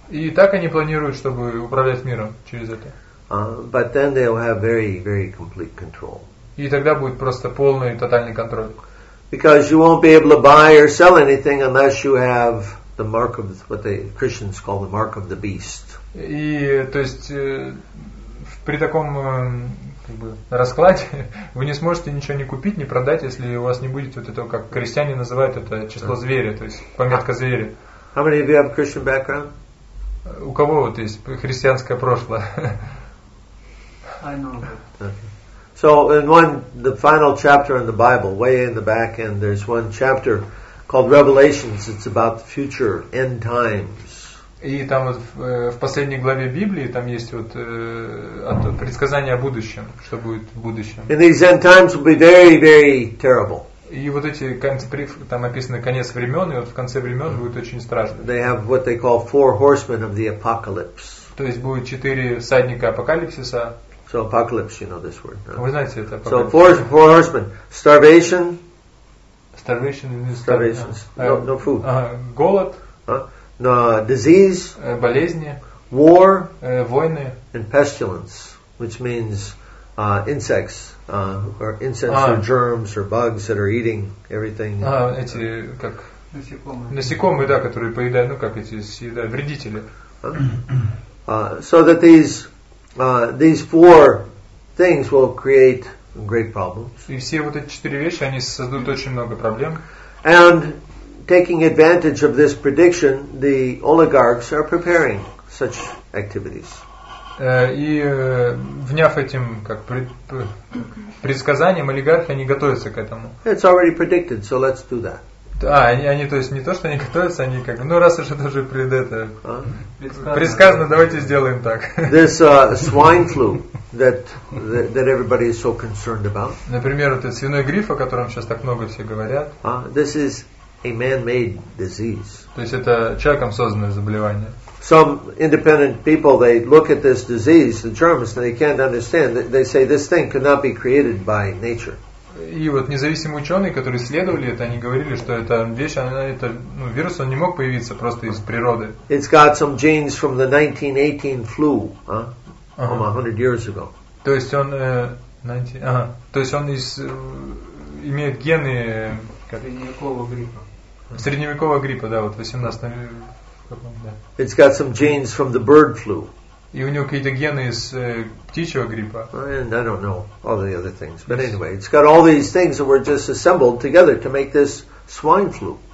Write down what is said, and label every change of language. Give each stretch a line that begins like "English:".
Russian: И так они планируют, чтобы управлять миром через это.
English: But then they'll have very, very complete control.
Russian: И тогда будет просто полный и тотальный контроль.
English: Because you won't be able to buy or sell anything unless you have the mark of what the Christians call the mark of the beast.
Russian: И то есть при таком как бы раскладе вы не сможете ничего ни купить, ни продать, если у вас не будет вот этого, как крестьяне называют это, число зверя, то есть пометка зверя.
English: How many of you have Christian background?
Russian: У кого вот есть христианское прошлое?
English: I know. Okay. So in one, the final chapter in the Bible, way in the back end, there's one chapter called Revelations. It's about the future end times.
Russian: И там вот в последней главе Библии там есть вот предсказание о будущем, что будет в будущем.
English: And these end times will be very, very terrible.
Russian: И вот эти там описаны конец времен, и вот в конце времен будет очень страшно.
English: They have what they call four horsemen of the apocalypse.
Russian: То есть будет четыре всадника апокалипсиса.
English: So apocalypse, you know this word. No?
Russian: Вы знаете это
English: apocalypse. So four horsemen. Starvation. Starvation in this. Starvation. No food.
Russian: Голод.
English: No, disease,
Russian: болезни,
English: war,
Russian: войны,
English: and pestilence, which means insects or insects or germs or bugs that are eating everything.
Russian: Эти как насекомые, да, которые поедают, ну как эти съедают вредители.
English: So that these four things will create great problems.
Russian: И все вот эти четыре вещи они создадут очень много проблем.
English: And taking advantage of this prediction, the oligarchs are preparing such activities.
Russian: И вняв этим как предсказанием, олигархи они готовятся к этому.
English: It's already predicted, so let's do that.
Russian: А, они, то есть не то, что они готовятся, они как бы, ну раз уж это уже предсказано, давайте сделаем так.
English: This swine flu that everybody is so concerned about.
Russian: Например, вот этот свиной грипп, о котором сейчас так много все говорят.
English: This is a man-made disease.
Russian: То есть это человеком созданное заболевание.
English: Some independent people, they look at this disease, the germs, and they can't understand. They say this thing could not be created by nature.
Russian: И вот независимые ученые, которые исследовали это, они говорили, что эта вещь, она, это, ну, вирус, он не мог появиться просто из природы.
English: It's got some genes from the 1918 flu, from 100 years ago.
Russian: То есть он, то есть он из, имеет гены средневекового гриппа. Средневекового гриппа, да, вот 18-й.
English: It's got some genes from the bird flu.
Russian: И у него какие-то гены из птичьего гриппа.
English: And I don't know all the other things. But anyway, it's got all these things that were just assembled together to make this swine flu.